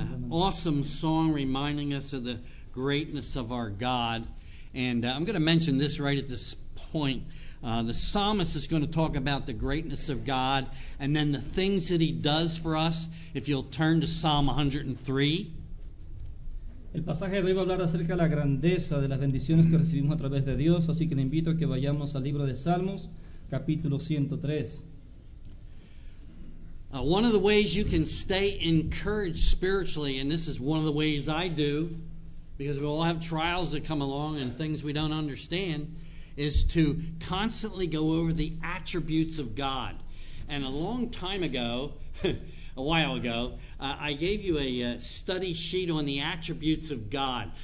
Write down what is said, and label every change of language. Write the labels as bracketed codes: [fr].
[en] Awesome song reminding us of the greatness of our God. And I'm going to mention this right at this point. The psalmist is going to talk about the greatness of God and then the things that he does for us. If you'll turn to Psalm 103. [es] El pasaje de hoy va a hablar acerca de la grandeza de las bendiciones que recibimos a través de Dios. Así que le invito a que vayamos al libro de Salmos, capítulo 103. [en] One of the ways you can stay encouraged spiritually, and this is one of the ways I do, because we all have trials that come along and things we don't understand, is to constantly go over the attributes of God. And a long time ago, a while ago, I gave you a study sheet on the attributes of God.